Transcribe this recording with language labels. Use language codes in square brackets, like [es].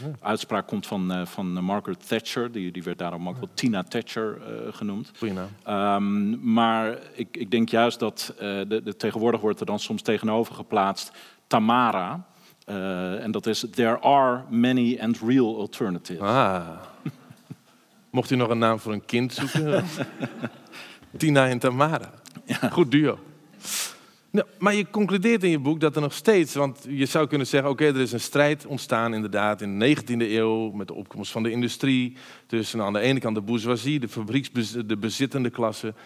[nl] Uitspraak komt van Margaret Thatcher. Die werd daarom ook wel Tina Thatcher genoemd. Goeie naam. Maar ik denk juist dat tegenwoordig wordt er dan soms tegenover geplaatst Tamara. En dat is [en] There are many and real alternatives. [nl] Ah. Mocht u nog een naam voor een kind zoeken? Tina en Tamara. Ja. Goed duo. Nou, maar je concludeert in je boek dat er nog steeds... Want je zou kunnen zeggen, er is een strijd ontstaan inderdaad in de 19e eeuw... met de opkomst van de industrie. Tussen aan de ene kant de bourgeoisie, de bezittende klasse...